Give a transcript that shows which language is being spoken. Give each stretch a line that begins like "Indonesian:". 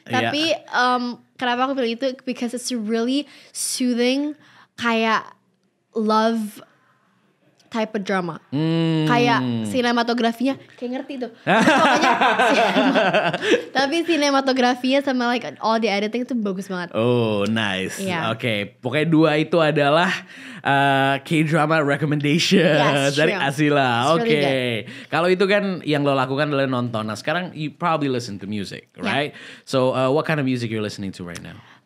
Indonesian: Tapi kenapa aku pilih itu?
English: Because it's really soothing, kayak love type of drama.
Indonesian: Kayak sinematografinya, kayak ngerti tuh. Pokoknya tapi sinematografinya sama
English: like all the editing
Indonesian: itu bagus banget.
English: Oh, nice. Yeah. Oke, okay.
Indonesian: Pokoknya dua itu adalah K-drama recommendation dari Asila. Oke.
English: Really,
Indonesian: kalau itu kan yang lo lakukan adalah nonton. Nah, sekarang
English: you probably listen to music, right? Yeah. So, what kind of music you're listening to right now?